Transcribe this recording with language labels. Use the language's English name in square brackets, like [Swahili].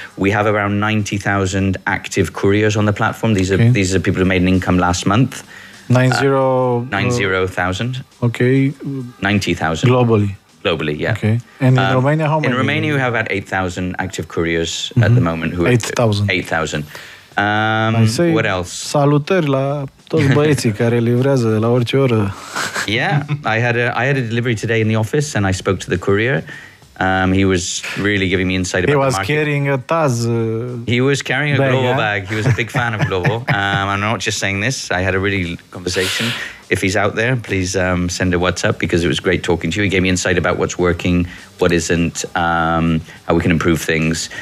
[English] We have around 90,000 active couriers on the platform. These are people who made an income last month. 90,000. Okay. 90,000. Globally, yeah. Okay. And in Romania, how many? In Romania, we have about 8,000 active couriers at the moment. 8,000. What else? [Romanian] Salutări la toți băieții care livrează de la orice oră. [English] Yeah, I had a delivery today in the office and I spoke to the courier. He was really giving me insight about the market. He was carrying a Taz. He was carrying a Glovo bag. He was a big fan of Glovo. I'm not just saying this. I had a really conversation. If he's out there, please send a WhatsApp because it was great talking to you. He gave me insight about what's working, what isn't, how we can improve things.